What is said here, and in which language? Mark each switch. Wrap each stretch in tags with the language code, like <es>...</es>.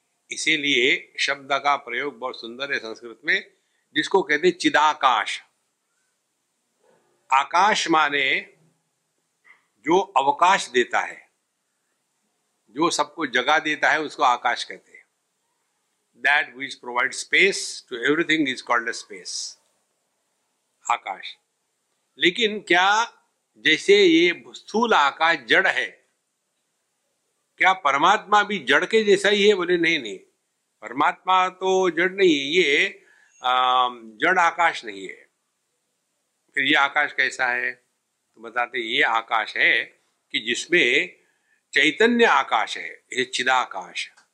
<hi>इसीलिए शब्द का प्रयोग बहुत सुंदर है संस्कृत में, जिसको कहते हैं चिदाकाश। आकाश माने जो अवकाश देता है, जो सबको जगा देता है, उसको आकाश कहते हैं।</hi> <en>That which provides space to everything is called a space, akash.</en> <hi>लेकिन क्या जैसे ये स्थूल आकाश जड़ है, क्या परमात्मा भी जड़ के जैसा ही है? बोले नहीं नहीं, परमात्मा तो जड़ नहीं है, ये जड़ आकाश नहीं है। फिर ये आकाश कैसा है? तो बताते ये आकाश है कि जिसमें चैतन्य आकाश है, ये चिदाकाश।</hi>